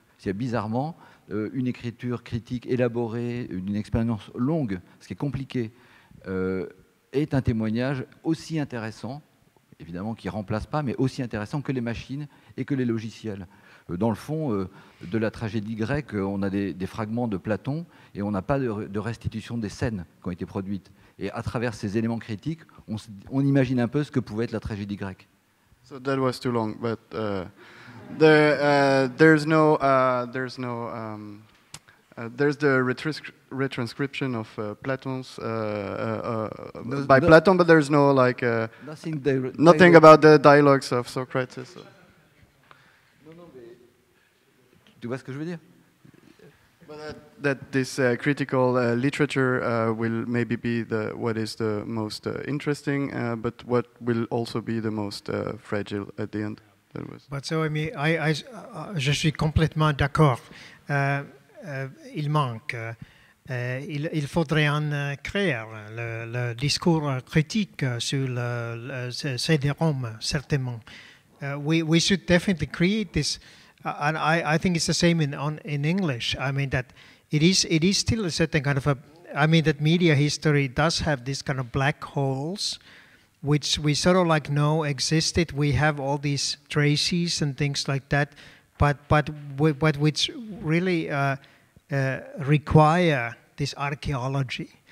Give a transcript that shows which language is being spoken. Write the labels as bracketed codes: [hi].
[fr] C'est bizarrement une écriture critique élaborée, une expérience longue, ce qui est compliqué, est un témoignage aussi intéressant, évidemment qui ne remplace pas, mais aussi intéressant que les machines et que les logiciels. dans le fond, de la tragédie grecque, on a des fragments de Platon et on n'a pas de restitution des scènes qui ont été produites. Et à travers ces éléments critiques, on imagine un peu ce que pouvait être la tragédie grecque. [en] So that was too long, but there's the retranscription of Platon's by Platon, but there's no like nothing about the dialogues of Socrates. So. [fr] Tu vois ce que je veux dire? [en] That this critical literature will maybe be the what is the most interesting, but what will also be the most fragile at the end. That was. But so I mean, I [fr] je suis complètement d'accord. Il manque. Il faudrait en créer le discours critique sur le cd-rom certainement. [en] We should definitely create this. And I think it's the same in English. I mean that it is still a certain kind of a. I mean that media history does have this kind of black holes, which we sort of like know existed. We have all these traces and things like that, but which really require this archaeology.